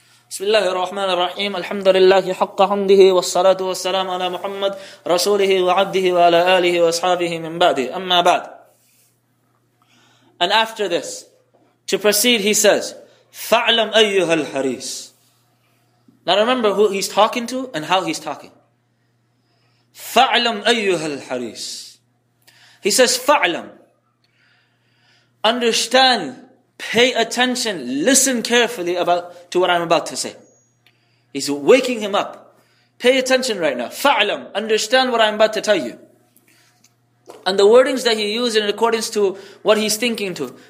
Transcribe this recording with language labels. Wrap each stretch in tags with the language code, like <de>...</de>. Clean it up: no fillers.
<ar>بسم الله الرحمن الرحيم الحمد لله حق حمده والصلاة والسلام على محمد رسوله وعبده وعلى آله وأصحابه من بعده أما بعد.</ar> <en>And after this, to proceed, he says,</en> <ar>فَعْلَمْ أَيُّهَا الْحَرِيسِ.</ar> <en>Now remember who he's talking to and how he's talking.</en> <ar>فَعْلَمْ أَيُّهَا الْحَرِيسِ.</ar> <en>He says,</en> <ar>فَعْلَمْ.</ar> <en>Understand, pay attention, listen carefully about to what I'm about to say. He's waking him up. Pay attention right now.</en> <ar>فَعْلَمْ.</ar> <en>Understand what I'm about to tell you. And the wordings that he used in accordance to what he's thinking to.</en>